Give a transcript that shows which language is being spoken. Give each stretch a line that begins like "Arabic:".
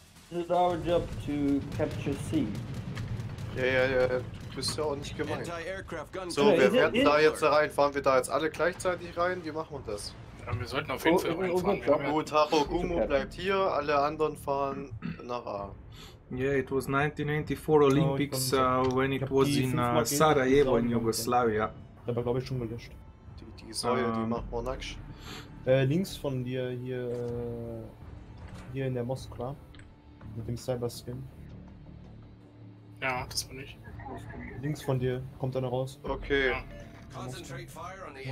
English: This is our job to capture C. Yeah.
German: Du bist ja auch nicht gemeint. So, wir werden da jetzt rein. Fahren wir da jetzt alle gleichzeitig rein? Wie machen wir das? Ja, wir sollten auf jeden Fall reinfahren. Gut, Taro Gumo bleibt hier, alle anderen fahren nach A.
English: Yeah, it was 1984 Olympics, when it was in Sarajevo in Yugoslavia.
German: Aber glaube ich schon gelöscht. Die Säule, die macht Monaksch. Links von dir, hier, hier in der Moskwa. Mit dem Cyberskin. Ja, das bin ich. Links von dir kommt einer raus. Okay. Ja.